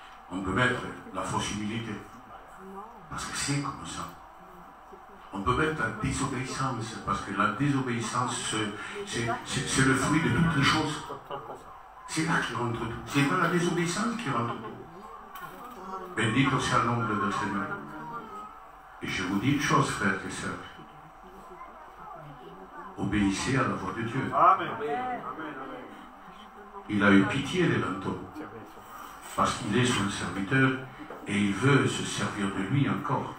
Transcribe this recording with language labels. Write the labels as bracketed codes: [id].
[fr] On peut mettre la fausse humilité. Parce que c'est comme ça. On peut mettre la désobéissance. Parce que la désobéissance, c'est le fruit de toutes les choses. C'est là qui rentre tout. C'est pas la désobéissance qui rentre tout. [es] Bendito sea el nombre del Señor. [fr] Et je vous dis une chose, frères et sœurs. Obéissez à la voix de Dieu. Amen. Il a eu pitié des lenteaux. Parce qu'il est son serviteur et il veut se servir de lui encore.